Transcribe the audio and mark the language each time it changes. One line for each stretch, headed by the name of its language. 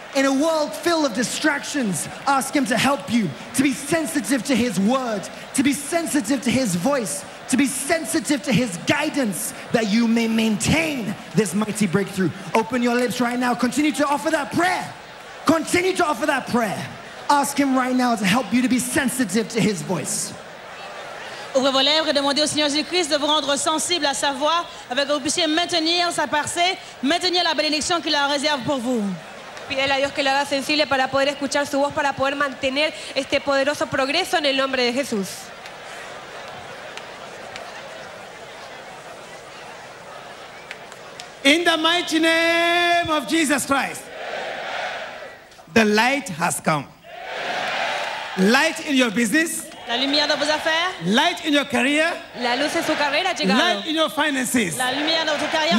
English: In a world full of distractions, ask Him to help you to be sensitive to His word, to be sensitive to His voice, to be sensitive to His guidance, that you may maintain this mighty breakthrough. Open your lips right now. Continue to offer that prayer. Continue to offer that prayer. Ask Him right now to help you to be sensitive to His voice.
French: Ouvrez vos lèvres et demandez au Seigneur Jésus-Christ de vous rendre sensible à sa voix afin que vous puissiez maintenir sa percée, maintenir la bénédiction qu'il a en réserve pour vous.
Spanish: Pidele a Dios que le haga sensible para poder escuchar su voz, para poder mantener este poderoso progreso en el nombre de Jesús.
English: In the mighty name of Jesus Christ, the light has come. Light in your business.
French: La lumière dans vos affaires.
English: Light in your career.
Spanish: La luz en su carrera ha llegado.
English: Light in your finances.
French: La lumière dans vos carrières.